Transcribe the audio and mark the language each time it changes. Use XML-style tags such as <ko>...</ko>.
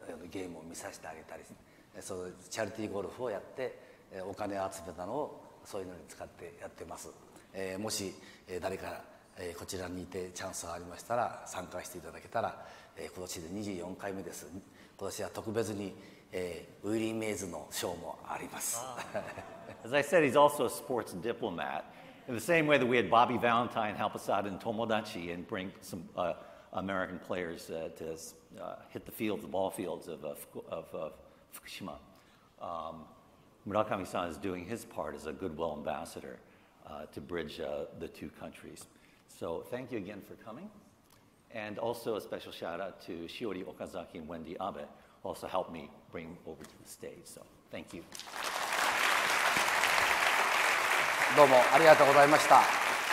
<ja>ゲームを見させてあげたり、そのチャリティーゴルフをやってお金を集めたのをそういうのに使ってやってます。もし誰かこちらにいてチャンスがありましたら参加していただけたら、今年で24回目です。今年は特別に、ウィリー・メイズの賞もあります。</ja> <en>As I said, he's also a sports diplomat. In the same way that we had Bobby Valentine help us out in Tomodachi and bring some American players to hit the field, the ball fields of Fukushima. Murakami-san is doing his part as a goodwill ambassador to bridge the two countries. So thank you again for coming. And also a special shout out to Shiori Okazaki and Wendy Abe, who also helped me bring over to the stage. So thank you.</en> <ja>どうもありがとうございました。</ja>